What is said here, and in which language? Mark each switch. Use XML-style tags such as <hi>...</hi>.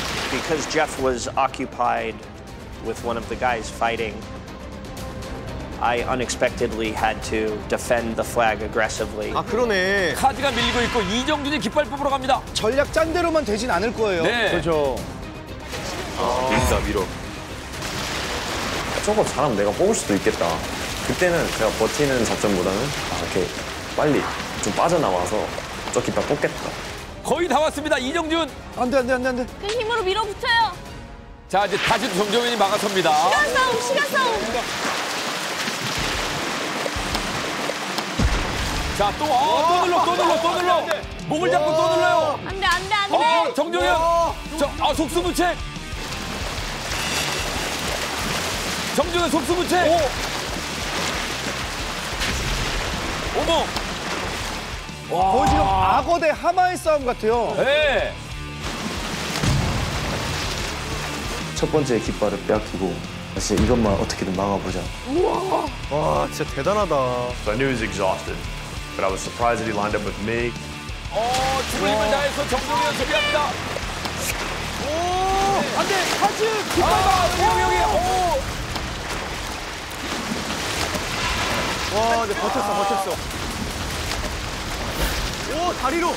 <en>Because Jeff was occupied with one of the guys fighting, I unexpectedly had to defend the flag aggressively.</en> <ko>아, 그러네. 카드가 밀리고 있고 이정준이 깃발 뽑으러 갑니다. 전략 짠 대로만 되진 않을 거예요. 네. 그렇죠. 아, 밀다, 밀어. 저거 잘하면 내가 뽑을 수도 있겠다. 그때는 제가 버티는 작전보다는 이렇게 빨리 좀 빠져나와서 저 깃발 뽑겠다. 거의 다 왔습니다, 이정준! 안 돼, 안 돼, 안 돼, 안 돼. 그 힘으로 밀어붙여요! 자, 이제 다시 정종현이 막아섭니다. 시간싸움, 시간싸움! 자, 또, 아, 또 눌러, 또 눌러, 또 눌러! 안 돼, 안 돼. 목을 잡고 또 눌러요! 안 돼, 안 돼, 안 돼! 어, 정종현! 저, 아, 속수무채! 정종현 속수무채! 오. 어머! 와. 거의 지금 악어 대 하마의 싸움 같아요. 네. 첫 번째 깃발을 빼앗기고 이제 이것만 어떻게든 막아보자. 우와. 와, 진짜 대단하다.</ko> <en>So I knew he was exhausted, but I was surprised that he lined up with me.</en> <ko>오, 죽을 힘을 다해서 정종현 준비합니다. 오, 네. 안 돼, 카즈 깃발 봐, 형 형이. 오. 와, 이제 버텼어, 버텼어. 오, 다리로!</ko>